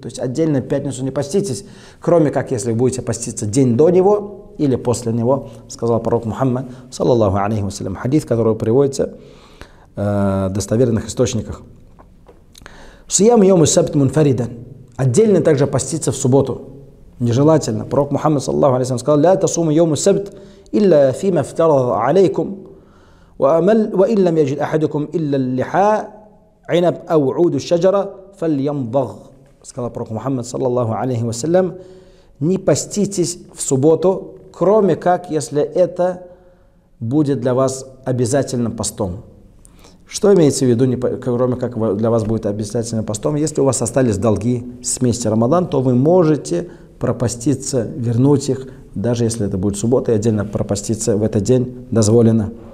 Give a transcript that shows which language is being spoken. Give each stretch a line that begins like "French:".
Russian: То есть отдельно в пятницу не поститесь, кроме как если вы будете поститься день до него или после него, сказал пророк Мухаммад саллаллаху алейхи ва саллям. Хадис, который приводится в достоверных источниках.
Arabic: «Сиям йому сабт мунфаридан».
Russian: Отдельно также поститься в субботу. Нежелательно. Пророк Мухаммад саллаллаху алейхи ва саллям сказал:
Arabic: «Ля тасуму йому сабт». إلا فيما افترض عليكم وأمل وإن لم يجد أحدكم إلا اللحاء عنب أو عود الشجرة فليمضغ.
Russian: Сказал пророк Мухаммад саллаллаху алейхи ва саллям: не поститесь в субботу, кроме как если это будет для вас обязательным постом. Что имеется в виду, кроме как для вас будет обязательным постом? Если у вас остались долги с месяца Рамадан, то вы можете пропаститься, вернуть их, даже если это будет суббота, и отдельно пропаститься в этот день дозволено.